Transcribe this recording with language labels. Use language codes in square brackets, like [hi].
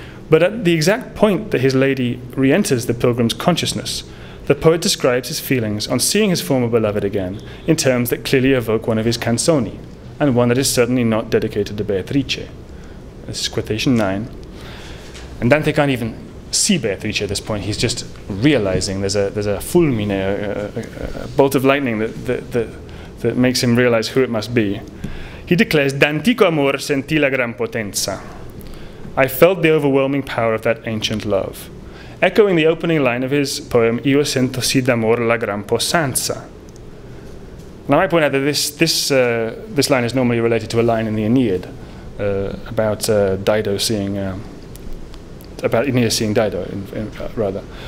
[en] But at the exact point that his lady re-enters the pilgrim's consciousness, the poet describes his feelings on seeing his former beloved again in terms that clearly evoke one of his canzoni, and one that is certainly not dedicated to Beatrice. This is quotation 9. And Dante can't even see Beatrice at this point. He's just realizing there's a fulmine, a bolt of lightning that makes him realize who it must be. He declares, [it] "D'antico amor sentì la gran potenza." [en] I felt the overwhelming power of that ancient love. Echoing the opening line of his poem, [it] "Io sento sì d'amor la gran possanza." [en] Now, I point out that this line is normally related to a line in the Aeneid about Aeneas seeing Dido, rather.